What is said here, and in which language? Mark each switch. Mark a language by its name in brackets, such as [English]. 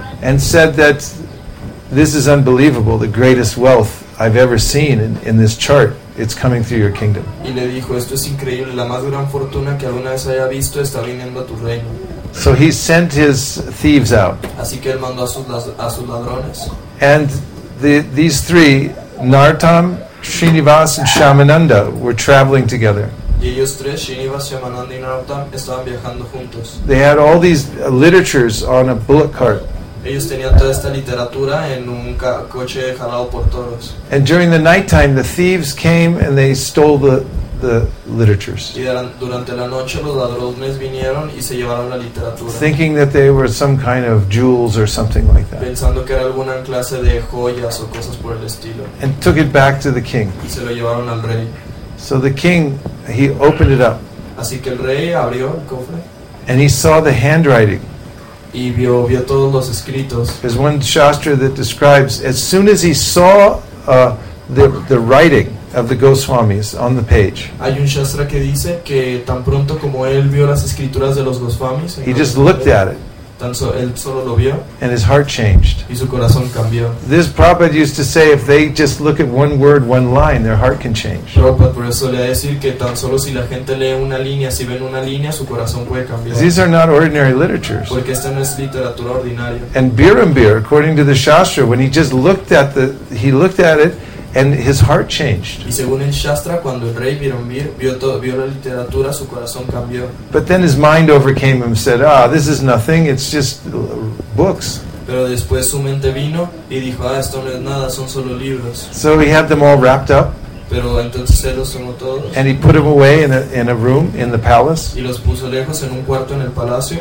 [English] And said that this is unbelievable, the greatest wealth I've ever seen in this chart. It's coming through your kingdom. [Spanish] Y le dijo, esto es increíble, la más gran fortuna que alguna vez haya visto está viniendo a tu reino. [English] So he sent his thieves out. [Spanish] Así que él mandó a sus ladrones. [English] And these three, Nartam, Srinivas, and Shamananda, were traveling together. [Spanish] Y ellos tres, Srinivas, Shamananda, y Nartam, estaban viajando juntos. [English] They had all these literatures on a bullock cart. [Spanish] Ellos tenían toda esta literatura en un coche jalado por toros. [English] And during the nighttime, the thieves came and they stole the literatures. [Spanish] Y durante la noche, los ladrones vinieron y se llevaron la literatura. [English] Thinking that they were some kind of jewels or something like that. [Spanish] Pensando que era alguna clase de joyas o cosas por el estilo. [English] And took it back to the king. [Spanish] Y se lo llevaron al rey. [English] So the king, he opened it up. [Spanish] Así que el rey abrió el cofre. [English] And he saw the handwriting. [Spanish] Y vio todos los escritos. [English] There's one shastra that describes as soon as he saw the writing of the Goswamis on the page. [Spanish] Hay un shastra que dice que tan pronto como él vio las escrituras de los Goswamis. [English] He just looked at it. [Spanish] Él solo lo vio. [English] And his heart changed. [Spanish] Y su corazón cambió. [English] This Prabhupada used to say, if they just look at one word, one line, their heart can change. [Spanish] Prabhupada por eso le decía que tan solo si la gente lee una línea, si ven una línea, su corazón puede cambiar. [English] These are not ordinary literatures. [Spanish] Porque esta no es literatura ordinaria. [English] And Birambir, according to the shastra, when he just looked at the, he looked at it, and his heart changed. [Spanish] Y según el shastra, cuando el rey Birambir vio la literatura, su corazón cambió. [English] But then his mind overcame him and said, "Ah, this is nothing. It's just books." [Spanish] Pero después su mente vino y dijo, "Ah, esto no es nada. Son solo libros." [English] So he had them all wrapped up. [Spanish] Pero entonces él los tomó todos. [English] And he put them away in a room in the palace. [Spanish] Y los puso lejos en un cuarto en el palacio.